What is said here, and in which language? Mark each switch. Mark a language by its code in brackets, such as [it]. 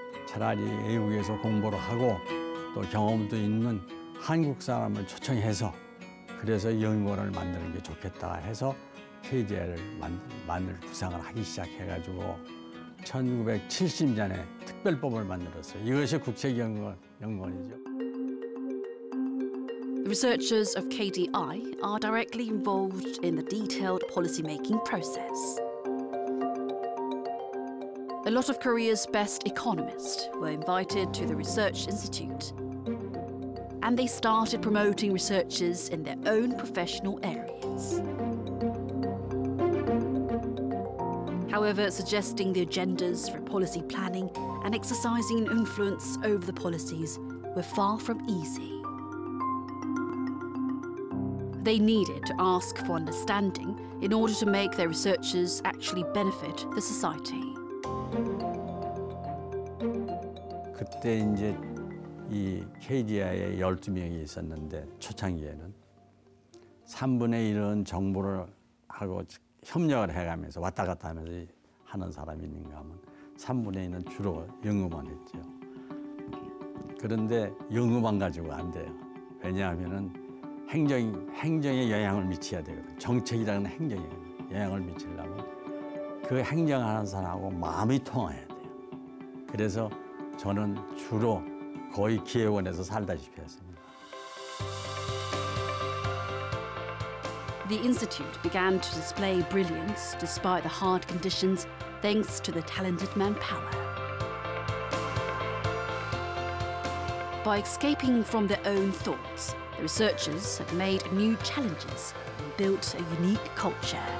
[ko] 차라리 외국에서 공부를 하고 또 경험도 있는 한국 사람을 초청해서 그래서 연구원을 만드는 게 좋겠다 해서 KDI를 만들 구상을 하기 시작해가지고 1970년에 특별법을 만들었어요. 이것이 국책연구원이죠. [en] The researchers of KDI are directly involved in the detailed policy-making process. A lot of Korea's best economists were invited to the research institute. And they started promoting researchers in their own professional areas. However, suggesting the agendas for policy planning and exercising influence over the policies were far from easy. They needed to ask for understanding in order to make their researchers actually benefit the society. [ko] 그때 이제 이 KDI에 12명이 있었는데 초창기에는 3분의 1은 정보를 하고 협력을 해가면서 왔다 갔다 하면서 하는 사람이 있는가 하면 3분의 1은 주로 연구만 했죠. 그런데 연구만 가지고 안 돼요. 왜냐하면 행정에 영향을 미쳐야 되거든요. 정책이라는 행정에 영향을 미치려면 그 행정하는 사람하고 마음이 통해야 돼요. 그래서 저는 주로 거의 기획원에서 살다시피 했습니다. [en] The institute began to display brilliance despite the hard conditions thanks to the talented manpower. By escaping from their own thoughts, the researchers have made new challenges and built a unique culture.